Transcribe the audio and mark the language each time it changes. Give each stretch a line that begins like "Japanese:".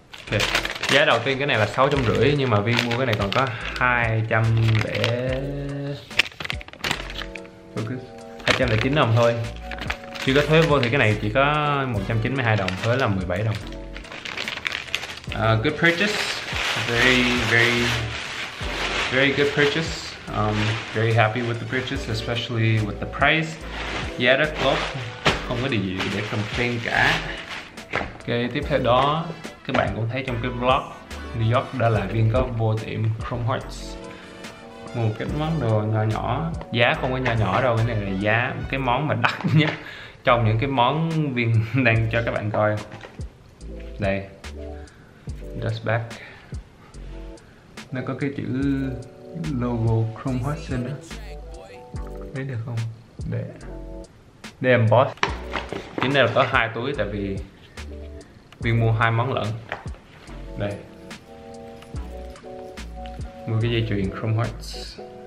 Vietnamese: Okay. Giá đầu tiên cái này là 650 nhưng mà Viên mua cái này còn có 209 đồng thôi. Chưa có thuế vô thì cái này chỉ có 192 đồng, thuế là 17 đồng.
English: Good purchase. Very very very good purchase. Very happy with the purchase, especially with the price.
Vietnamese: Giá rất tốt. Không có điều gì để complain cả. Ok, tiếp theo đó các bạn cũng thấy trong cái vlog New York đã là Viên có vô tiệm Chrome Hearts mua một cái món đồ nhỏ nhỏ. Giá không có nhỏ nhỏ đâu, cái này là giá cái món mà đắt nhất trong những cái món Viên đang cho các bạn coi. Đây dust bag, nó có cái chữ logo Chrome Hearts trên đó. Lấy được không? Để đây emboss. Chính đây là có hai túi tại vì Viên mua hai món lận. Đây
English: movie yet during Chrome Hearts.